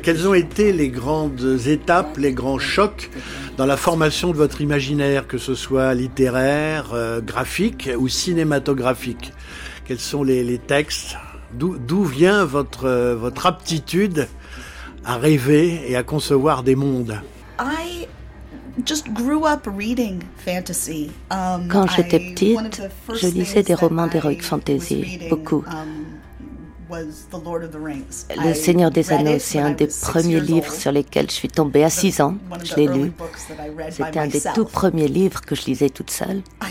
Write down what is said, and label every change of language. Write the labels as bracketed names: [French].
[French] Quelles ont été les grandes étapes, les grands chocs dans la formation de votre imaginaire, que ce soit littéraire, graphique ou cinématographique? Quels sont les textes? D'où vient votre aptitude à rêver et à concevoir des mondes? [English] I just grew up reading fantasy. [French] Quand j'étais petite, je lisais des romans d'heroic fantasy, beaucoup. Le Seigneur des Anneaux, c'est un des premiers livres sur lesquels je suis tombée à 6 ans. Je l'ai lu. C'était un des tout premiers livres que je lisais toute seule.